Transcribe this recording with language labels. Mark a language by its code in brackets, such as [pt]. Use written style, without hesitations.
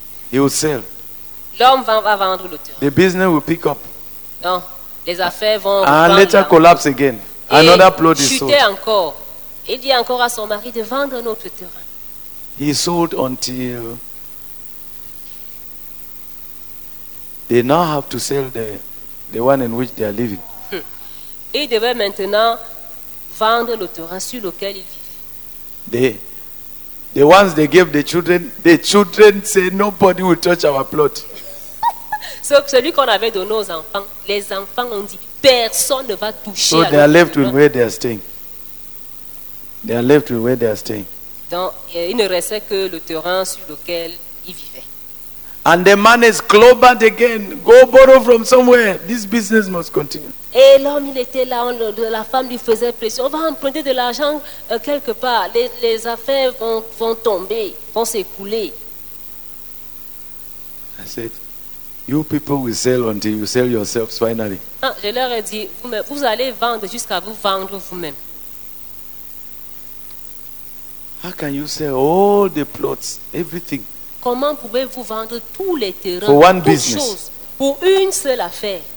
[en] He will sell. [fr] L'homme va vendre le terrain. [en] The business will pick up. [fr] Non. Les affaires vont [en] later collapse again. Another plot is sold. [fr] Encore. Il dit encore à son mari de vendre un autre terrain. [en] He sold until they now have to sell the one in which they are living. [fr] Il devait maintenant vendre le terrain sur lequel il vivait. [en] The ones they gave the children say nobody will touch our plot. [fr] Celui qu'on avait donné aux enfants, les enfants ont dit, personne ne va toucher. [en] So they are left with where they are staying. They are left with where they are staying. [fr] Donc, il ne restait que le terrain sur lequel ils vivaient. [en] And the man is clobbered again. Go borrow from somewhere. This business must continue. [fr] Et l'homme, il était là, la femme lui faisait pression. On va emprunter de l'argent quelque part. Les affaires vont tomber, vont s'écouler. [en] I said, you people will sell until you sell yourselves finally. [fr] Je leur ai dit, vous allez vendre jusqu'à vous vendre vous-même. [en] How can you sell all the plots, everything? [fr] Comment pouvez-vous vendre tous les terrains, toutes choses, pour une seule affaire?